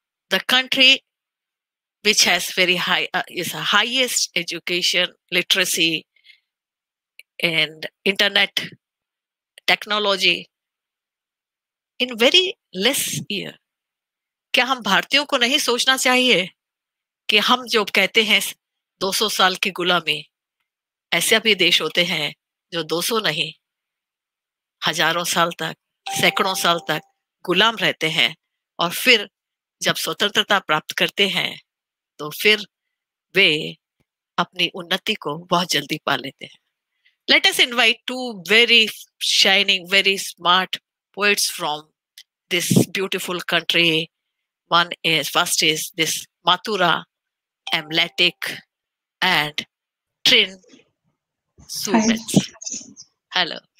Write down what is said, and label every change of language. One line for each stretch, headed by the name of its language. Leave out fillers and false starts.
English: The country which has very high is the highest education literacy. And internet technology in very less year.
Hindi: क्या हम भारतीयों को नहीं सोचना चाहिए कि हम जो कहते हैं 200 साल की गुलामी, ऐसे भी देश होते हैं जो 200 नहीं हजारों साल तक, सैकड़ों साल तक गुलाम रहते हैं, और फिर जब स्वतंत्रता प्राप्त करते हैं तो फिर वे अपनी उन्नति को बहुत जल्दी पा लेते हैं.
English: Let us invite two very shining, very smart poets from this beautiful country. One is, first is this Mathura, M. Lattik, and Triin, Soomets. Hello.